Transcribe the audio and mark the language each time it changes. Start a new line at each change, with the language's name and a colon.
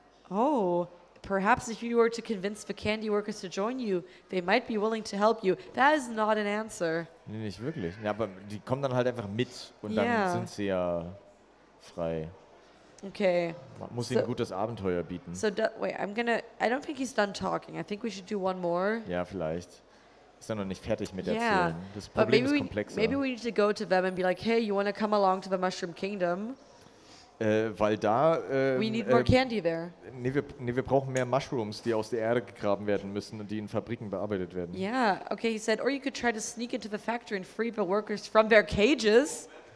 English: Oh, perhaps if you were to convince the candy workers to join you, they might be willing to help you. That is not an answer.
German: Nee, nicht wirklich. Ja, aber die kommen dann halt einfach mit und dann sind sie ja frei.
English: Okay.
German: Man muss ihnen ein gutes Abenteuer bieten.
English: I don't think he's done talking. I think we should do one more.
German: Ja, vielleicht. Ist er noch nicht fertig mit erzählen. Yeah. Das Problem ist komplexer.
English: Maybe we need to go to them and be like, hey, you want to come along to the Mushroom Kingdom? We need more candy there.
German: Nee, wir brauchen mehr Mushrooms, die aus der Erde gegraben werden müssen und die in Fabriken bearbeitet werden.
English: Yeah, okay, he said, or you could try to sneak into the factory and free the workers from their cages.